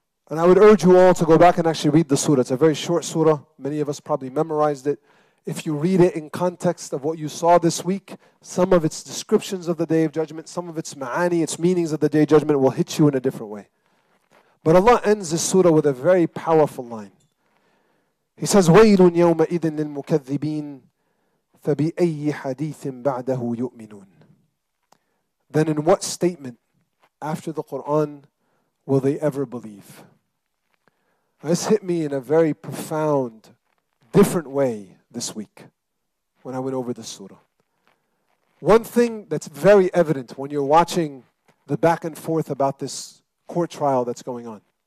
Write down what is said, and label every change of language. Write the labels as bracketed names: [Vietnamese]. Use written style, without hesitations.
[English] And I would urge you all to go back and actually read the surah. It's a very short surah. Many of us probably memorized it. If you read it in context of what you saw this week, some of its descriptions of the Day of Judgment, some of its ma'ani, its meanings of the Day of Judgment will hit you in a different way. But Allah ends this surah with a very powerful line. He says, [Arabic] وَيْلٌ يَوْمَئِذٍ لِلْمُكَذِّبِينَ فَبِأَيِّ حَدِيثٍ بَعْدَهُ يُؤْمِنُونَ. [English] Then in what statement after the Quran will they ever believe? This hit me in a very profound, different way this week when I went over the surah. One thing that's very evident when you're watching the back and forth about this court trial that's going on.